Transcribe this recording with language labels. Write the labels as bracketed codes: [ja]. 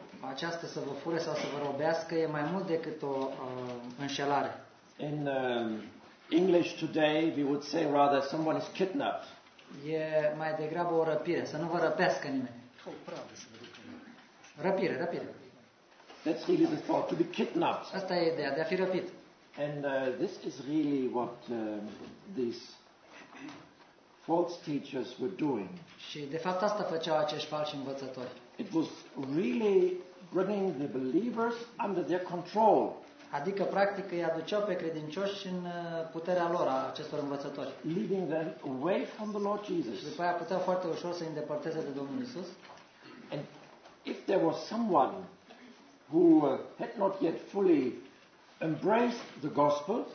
[ro] Această să vă fure sau să vă robească e mai mult decât o înșelare. [en] In English today we would say rather someone is kidnapped. [ro] E mai degrabă o răpire, să nu vă răpească nimeni. Răpire, răpire. [en] That's really the thought, to be kidnapped. [ro] Asta e ideea, de a fi răpit. [en] And this is really what these false teachers were doing. [ro] Și de fapt asta făceau acești falși învățători. [en] It was really bringing the believers under their control. [ro] Adică practic îi aduceau pe credincioși în puterea lor, a acestor învățători. [en] Leading them away from the Lord Jesus. [ro] Și după aia puteau foarte ușor să îi îndepărteze de Domnul Iisus. [en] And if there was someone who had not yet fully embraced the gospel,